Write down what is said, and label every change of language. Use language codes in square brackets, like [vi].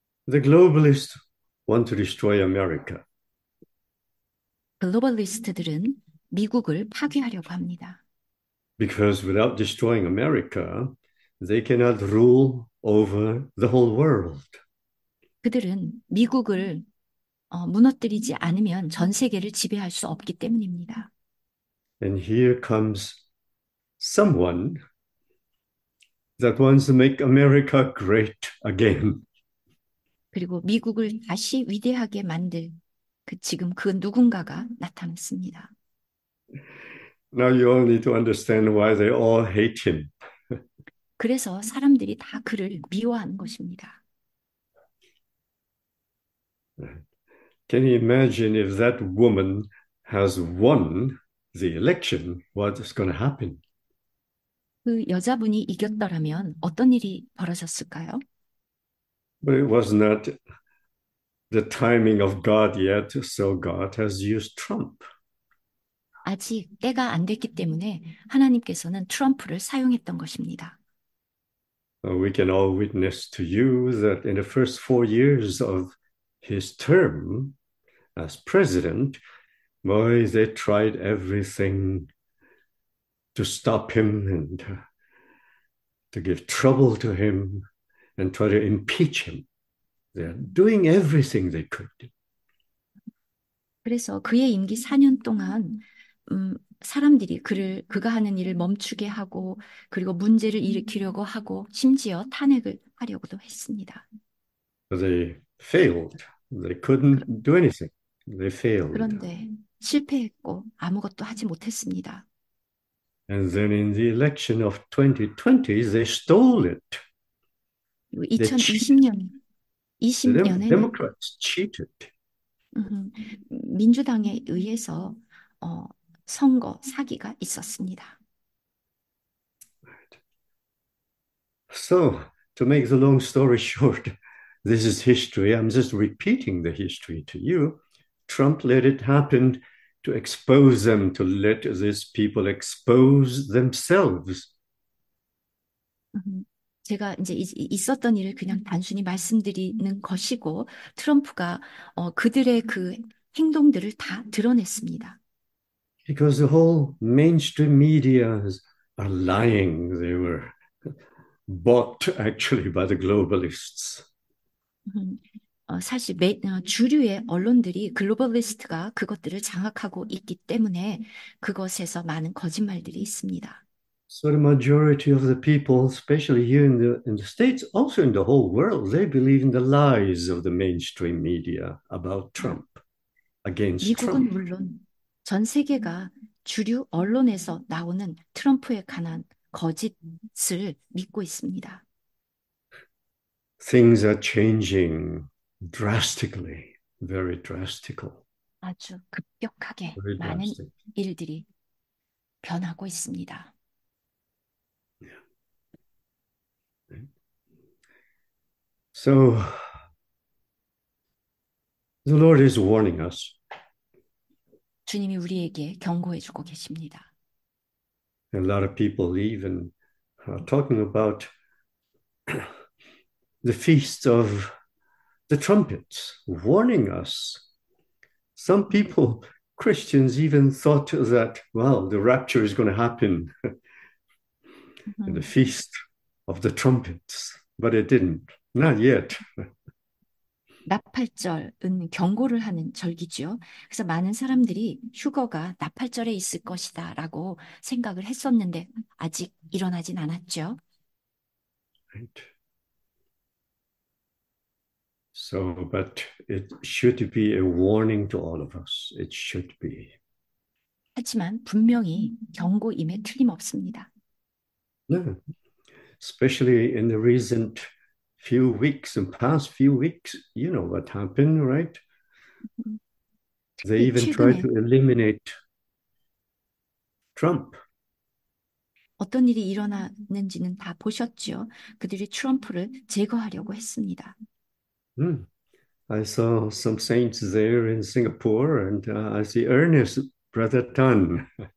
[en] The globalists want to destroy America. [ko] 글로벌리스트들은 미국을 파괴하려고 합니다. [en] Because without destroying America, they cannot rule over the whole world. [ko] 그들은 미국을 무너뜨리지 않으면 전 세계를 지배할 수 없기 때문입니다. [en] And here comes someone that wants to make America great again. [ko] 그리고 미국을 다시 위대하게 만들 지금 그 누군가가 나타났습니다. [en] Now you all need to understand why they all hate him. [ko] 그래서 사람들이 다 그를 미워하는 것입니다. [en] Can you imagine if that woman has won the election? What's going to happen? [ko] 그 여자분이 이겼더라면 어떤 일이 벌어졌을까요? [en] But it was not the timing of God yet, so God has used Trump. [ko] 아직 때가 안 됐기 때문에 하나님께서는 트럼프를 사용했던 것입니다. [en] We can all witness to you that in the first 4 years of his term as president, boy, they tried everything to stop him and to give trouble to him and try to impeach him. They're doing everything they could. [ko] 그래서 그의 임기 4년 동안 사람들이 그가 하는 일을 멈추게 하고, 그리고 문제를 일으키려고 하고, 심지어 탄핵을 하려고도 했습니다. [en] They failed. They couldn't do anything. They failed. [ko] 그런데 실패했고, 아무것도 하지 못했습니다. [en] And then in the election of 2020, they stole it. They cheated. [ko] 2020년에는 [en] Democrats cheated. [ko] 민주당에 의해서 선거 사기가 있었습니다. [en] So, to make the long story short, this is history. I'm just repeating the history to you. Trump let it happen to expose them, to let these people expose themselves. [ko] 제가 이제 있었던 일을 그냥 단순히 말씀드리는 것이고, 트럼프가 그들의 그 행동들을 다 드러냈습니다. [en] Because the whole mainstream media are lying. They were bought actually by the globalists. [ko] 사실 주류의 언론들이 글로벌리스트가 그것들을 장악하고 있기 때문에 그것에서 많은 거짓말들이 있습니다. [en] So the majority of the people, especially here in the States, also in the whole world, they believe in the lies of the mainstream media about Trump, against Trump. [ko] 미국은 물론 전 세계가 주류 언론에서 나오는 트럼프에 관한 거짓을 믿고 있습니다. [en] Things are changing drastically, very drastically, [ko] 아주 급격하게 [en] very [ko] 많은 [en] drastic. [ko] 일들이 변하고 있습니다. [en] So, the Lord is warning us. [ko] 주님이 우리에게 경고해 주고 계십니다. [en] A lot of people even are talking about the feast of the trumpets, warning us. Some people, Christians, even thought that, well, the rapture is going to happen in the feast of the trumpets, but it didn't. Not yet. [ko] 나팔절은 경고를 하는 절기지요. 그래서 많은 사람들이 휴거가 나팔절에 있을 것이다라고 생각을 했었는데 아직 일어나진 않았죠. [en] So, but it should be a warning to all of us. It should be. [ko] 하지만 분명히 경고임에 틀림없습니다. [en] No. Especially in the recent few weeks, in past few weeks, you know what happened, right? They even tried to [ko] 최근에 [en] eliminate Trump. [ko] 어떤 일이 일어났는지는 다 보셨죠? 그들이 트럼프를 제거하려고 했습니다. [en] I saw some saints there in Singapore, and I see Ernest, Brother Tan.